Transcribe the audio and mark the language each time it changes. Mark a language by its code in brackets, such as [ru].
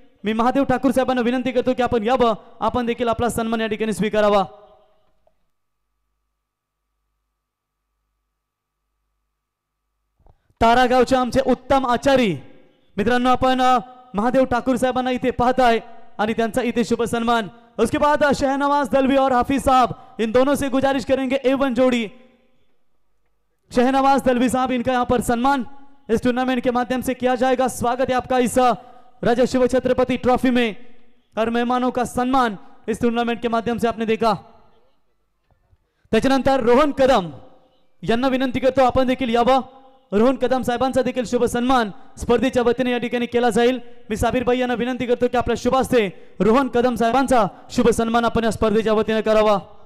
[mr] मी महादेव ठाकूर साहेबांना विनंती करतो की आपण यावं, आपण देखील आपला सन्मान या ठिकाणी स्वीकारावा। तारागावचे आमचे उत्तम आचारी मित्रांनो, आपण महादेव ठाकूर साहेबांना इथे पाहताय आणि त्यांचा इथे शुभ सन्मान। [hi] उसके बाद शहनवाज दलवी और हाफिज साहब, इन दोनों से गुजारिश करेंगे A1 जोड़ी। शहनवाज दलवी साहब इनका यहाँ पर सम्मान इस टूर्नामेंट के माध्यम से किया जाएगा। स्वागत है आपका इस राज्य शिव छत्रपति ट्रॉफी में और मेहमानों का सम्मान इस टूर्नामेंट के माध्यम से आपने देखा। [mr] त्याच्यानंतर रोहन कदम यांना विनंती करतो आपण देखील यावं, रोहन कदम साहेबांचा देखील शुभ सन्मान स्पर्धेच्या वतीने या ठिकाणी केला जाईल। मी साबीर भाई यांना विनंती करतो की आपल्या शुभ हस्ते रोहन कदम साहेबांचा शुभ सन्मान आपण या स्पर्धेच्या वतीने करावा।